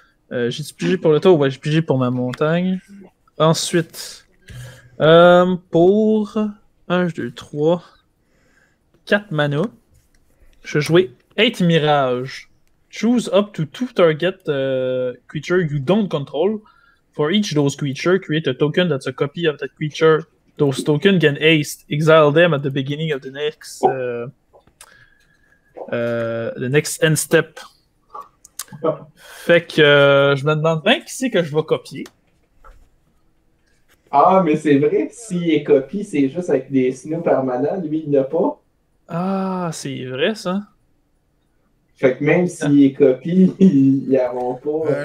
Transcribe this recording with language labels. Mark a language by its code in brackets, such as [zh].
[fr] J'ai pigé pour le tour, ouais, j'ai pigé pour ma montagne. Ensuite, pour 1, 2, 3, 4 mana, je vais jouer 8 Mirage. [en] Choose up to 2 target creature you don't control. For each of those creatures, create a token that's a copy of that creature. Those tokens can haste. Exile them at the beginning of the next end step. [fr] Fait que je me demande bien qui c'est que je vais copier. Ah, mais c'est vrai, s'il est copié, c'est juste avec des snoops permanents, lui il n'a pas. Ah, c'est vrai ça. Fait que même s'il est copié, il n'y aura pas.